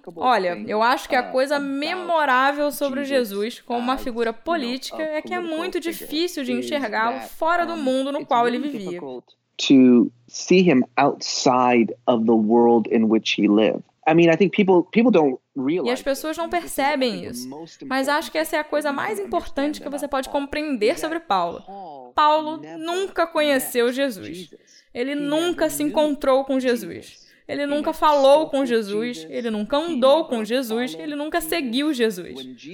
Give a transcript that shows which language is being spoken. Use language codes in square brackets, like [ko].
[pt] Olha, eu acho que a coisa memorável sobre Jesus como uma figura política é que é muito difícil de enxergá-lo fora do mundo no qual ele vivia. [en] To see him outside of the world in which he lived. I mean, I think people don't realize. [pt] E as pessoas não percebem isso. Mas acho que essa é a coisa mais importante que você pode compreender sobre Paulo. Paulo nunca conheceu Jesus. Ele nunca se encontrou com Jesus. Ele nunca falou com Jesus, ele nunca andou com Jesus, ele nunca seguiu Jesus.